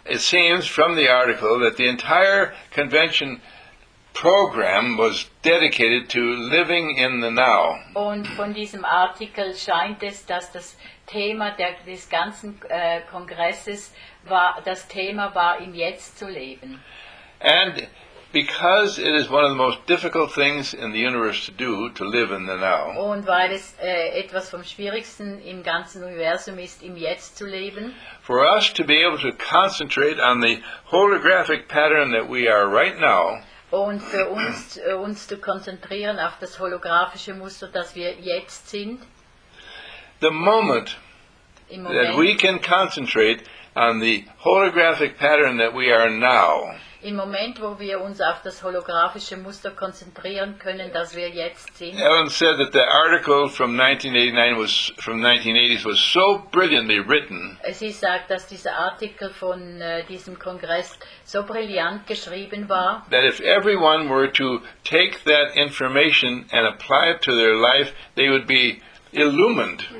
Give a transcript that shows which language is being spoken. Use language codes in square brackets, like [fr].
[en] it seems from the article that the entire convention program was dedicated to living in the now. [de] Und von diesem Artikel scheint es, dass das Thema des ganzen Kongresses war, das Thema war, im Jetzt zu leben. [en] And because it is one of the most difficult things in the universe to do, to live in the now. [de] Und weil es etwas vom Schwierigsten im ganzen Universum ist, im Jetzt zu leben. [en] For us to be able to concentrate on the holographic pattern that we are right now. [de] Und für uns uns zu konzentrieren auf das holographische Muster, das wir jetzt sind. [en] The moment, [de] im Moment [en] that we can concentrate on the holographic pattern that we are now. [de] Im Moment, wo wir uns auf das holographische Muster konzentrieren können, das wir jetzt sind. [en] Ellen said that the article from 1989 was from 1980s was so brilliantly written. [de] Sie sagt, dass dieser Artikel von diesem Kongress so brillant geschrieben war. [en] That if everyone were to take that information and apply it to their life, they would be illumined.